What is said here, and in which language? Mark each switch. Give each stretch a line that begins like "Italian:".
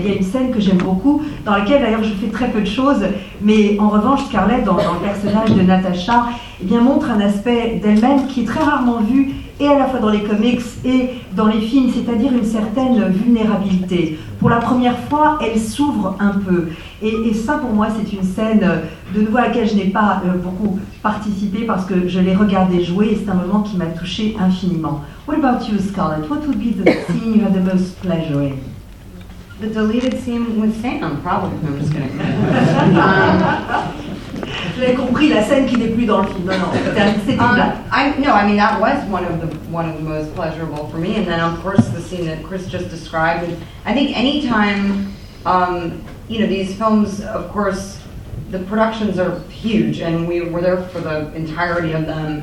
French: Il y a une scène que j'aime beaucoup, dans laquelle d'ailleurs je fais très peu de choses, mais en revanche, Scarlett, dans le personnage de Natasha, eh bien montre un aspect d'elle-même qui est très rarement vu, et à la fois dans les comics et dans les films, c'est-à-dire une certaine vulnérabilité. Pour la première fois, elle s'ouvre un peu. Et ça, pour moi, c'est une scène de nouveau à laquelle je n'ai pas beaucoup participé parce que je l'ai regardée jouer et c'est un moment qui m'a touchée infiniment.
English: What about you, Scarlett? What would be the scene you had the most pleasure in? The deleted scene with Sam, probably. No, I'm just kidding.
French: J'avais compris la scène qui n'est plus dans le film. Non,
English: that was one of the most pleasurable for me. And then, of course, the scene that Chris just described. And I think any time, you know, these films, of course, the productions are huge, and we were there for the entirety of them.